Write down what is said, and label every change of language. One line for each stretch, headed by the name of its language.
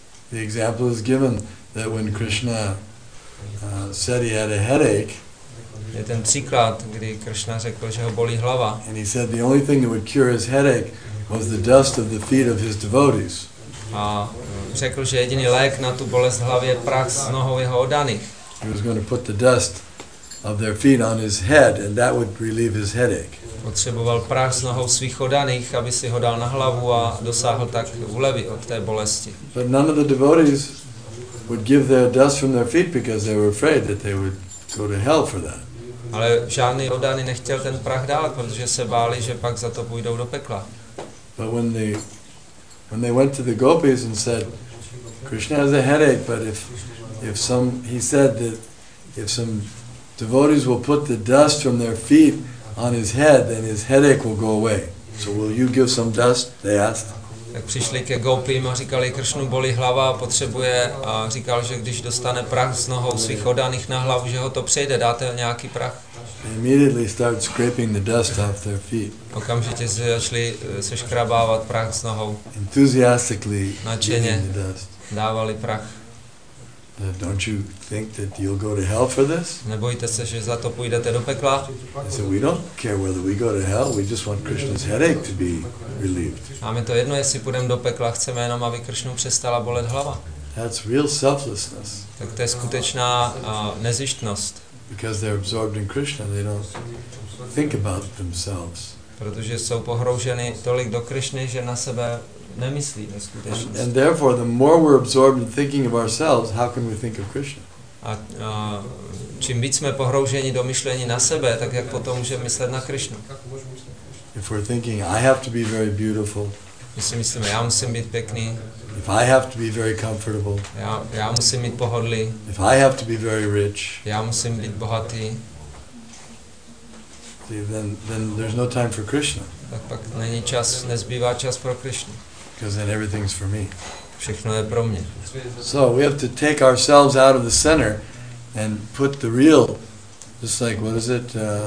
English: The example is given that when Krishna said he had a headache.
Czech: Je ten příklad, kdy Krishna řekl, že ho bolí hlava.
English: And he said the only thing that would cure his headache was the dust of the feet of his devotees.
Czech: A řekl, že jediný lék na tu bolest hlavy je prach z nohou jeho oddaných.
English: He was going to put the dust of their feet on his head and that would relieve his headache.
Czech: Potřeboval prach s nohou svých oddaných, aby si ho dal na hlavu a dosáhl tak úlevy od té bolesti.
English: But none of the devotees would give their dust from their feet because they were afraid that they would go to hell for that.
Czech: Ale žádný oddaný nechtěl ten prach dát, protože se báli, že pak za to půjdou do pekla.
English: But when they went to the gopis and said Krishna has a headache, but if some devotees will put the dust from their feet on his head, then his headache will go away. So will you give some dust? They asked.
Czech: Tak přišli ke gopim a říkali, Kršnu bolí hlava a potřebuje, a říkal, že když dostane prach s nohou svých oddaných na hlavu, že ho to přejde, dáte nějaký prach?
English: They immediately started scraping the dust off their feet.
Czech: Okamžitě začali se škrabávat prach s nohou.
English: Enthusiastically giving the dust.
Czech: Dávali prach.
English: Don't you think that you'll go to hell for this?
Czech: Nebojte se, že za to půjdete do pekla?
English: I said, we don't care whether we go to hell. We just want Krishna's headache to be relieved.
Czech: A my to jedno, jestli půjdeme do pekla, chceme jenom, aby Kršnu přestala bolet hlava.
English: That's real selflessness.
Czech: Tak to je skutečná nezištnost.
English: Because they're absorbed in Krishna, they don't think about themselves.
Czech: Protože jsou pohrouženi tolik do Krishny, že na sebe nemyslí ve skutečnosti.
English: And therefore, the more we're absorbed in thinking of ourselves, how can we think of Krishna?
Czech: A čím víc jsme pohrouženi do myšlení na sebe, tak jak potom můžeme myslet na Krishnu?
English: If we're thinking, I have to be very beautiful.
Czech: My si myslíme, já musím být pěkný.
English: If I have to be very comfortable.
Czech: Já musím být pohodlý.
English: If I have to be very rich.
Czech: Já musím být bohatý.
English: Then there's no time for Krishna.
Czech: Tak pak není čas, nezbývá čas pro Krishnu.
English: Because then everything's for me.
Czech: Všechno je pro mě.
English: So we have to take ourselves out of the center and put the real, just like what is it?